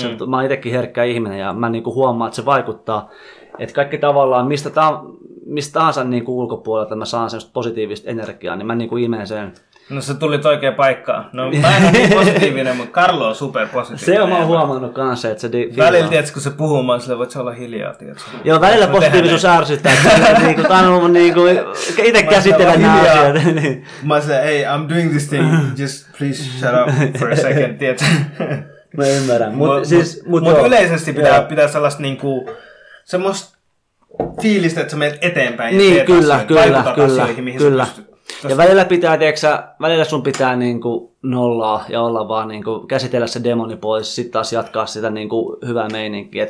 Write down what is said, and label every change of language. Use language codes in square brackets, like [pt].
[fi] Mä oon itsekin herkkä ihminen ja mä niin kuin huomaan, että se vaikuttaa. Että kaikki tavallaan, mistä tahansa niin kuin ulkopuolelta mä saan semmoista positiivista energiaa, niin mä niin kuin imen sen. No sä tulit oikeaan paikkaan. No mä en ole niin positiivinen, mutta Karlo on super positiivinen. Se on mä oon huomannut kanssa, että se välillä tietysti kun se puhuu, mä oon silleen, voit sä olla hiljaa, tietysti. Joo, välillä positiivisuus ärsyttää. Niin kuin, tämä on niin kuin, itse käsittelen nämä hiljaa. Asiat. Niin. Mä oon [en] hey, I'm doing this thing, just please shut up for a second, [fi] tietysti. Mä ymmärrän. Mutta yleisesti pitää sellaista niin kuin, semmoista fiilistä, että sä menet eteenpäin. Niin, kyllä, kyllä, kyllä. Kyllä. Ja välillä pitää, tiedätkö, välillä sun pitää niinku nollaa ja olla vaan niinku käsitellä se demoni pois, sit taas jatkaa sitä niinku hyvää meininkiä.